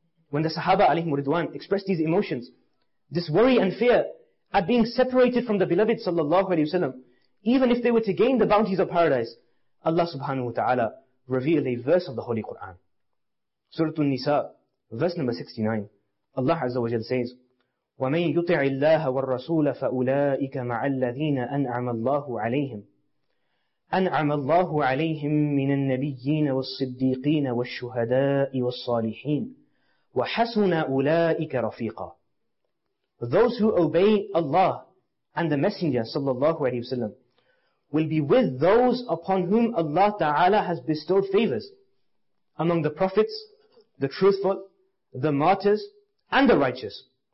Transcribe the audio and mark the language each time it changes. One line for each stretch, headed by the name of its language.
English: When the Sahaba alayhi muridwan expressed these emotions, this worry and fear at being separated from the beloved sallallahu alayhi wa sallam, even if they were to gain the bounties of paradise, Allah subhanahu wa ta'ala revealed a verse of the Holy Quran. Surah An-Nisa, verse number 69. Allah Azza wa Jal says,
Arabic: وَمَنْ يُطِعِ اللَّهَ وَالرَّسُولَ فَأُولَٰئِكَ مَعَ الَّذِينَ أَنْعَمَ اللَّهُ عَلَيْهِمْ أَنْعَمَ اللَّهُ عَلَيْهِمْ مِنَ النَّبِيِّينَ وَالصِّدِّيقِينَ وَالشُّهَدَاءِ وَالصَّالِحِينَ وَحَسُنَ أُولَٰئِكَ رَفِيقًا.
English: Those who obey Allah and the Messenger sallallahu alayhi wa sallam will be with those upon whom Allah ta'ala has bestowed favors, among the prophets, the truthful, the martyrs, and the righteous.